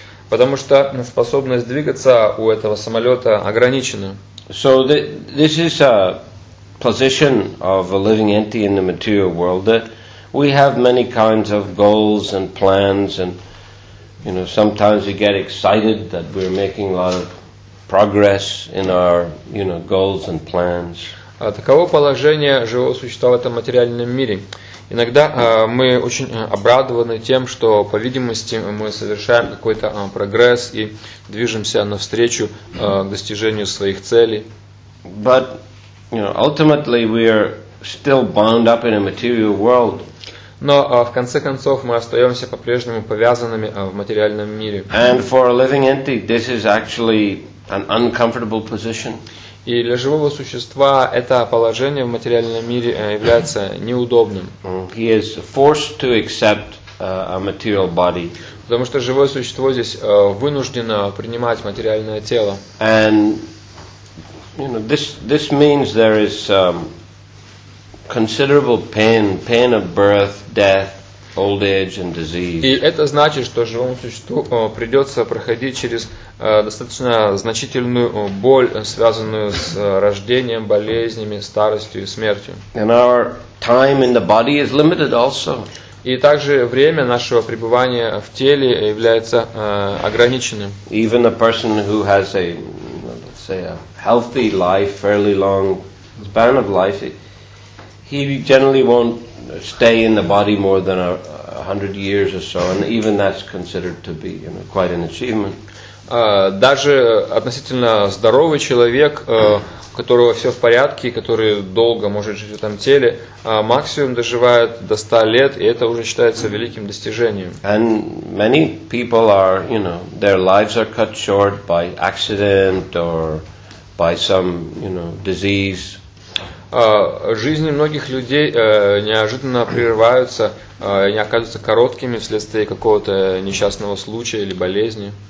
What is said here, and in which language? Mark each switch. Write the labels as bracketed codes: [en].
[ru] Потому что способность двигаться у этого самолета ограничена. [en] So this is a position of a living entity in the material world that we have many kinds of goals and plans, and you know, sometimes we get excited that we're making a lot of progress in our, you know, goals and plans. [ru] Таково положение живого существа в этом материальном мире. Иногда мы очень обрадованы тем, что, по видимости, мы совершаем какой-то прогресс и движемся навстречу достижению своих целей. [en] But, you know, ultimately we are still bound up in a material world. [ru] Но в конце концов мы остаемся по-прежнему повязанными в материальном мире. [en] And for a living entity, this is actually an uncomfortable position. [ru] И для живого существа это положение в материальном мире является неудобным. [en] He is forced to accept a material body. [ru] Потому что живое существо здесь вынуждено принимать материальное тело. [en] And you know, this means there is considerable pain of birth, death, old age and disease. [ru] И это значит, что живому существу придется проходить через достаточно значительную боль, связанную с рождением, болезнями, старостью и смертью. [en] And our time in the body is limited also. [ru] И также время нашего пребывания в теле является ограниченным. [en] Even a person who has a, let's say, a healthy life, fairly long span of life, he generally won't stay in the body more than 100 years or so, and even that's considered to be, you know, quite an achievement. [ru] Даже относительно здоровый человек, у которого все в порядке, который долго может жить в этом теле, максимум доживает до 100 лет, и это уже считается великим достижением. [en] And many people are, you know, their lives are cut short by accident or by some, you know, disease. [ru] Жизни многих людей неожиданно прерываются, они оказываются короткими вследствие какого-то несчастного случая или болезни.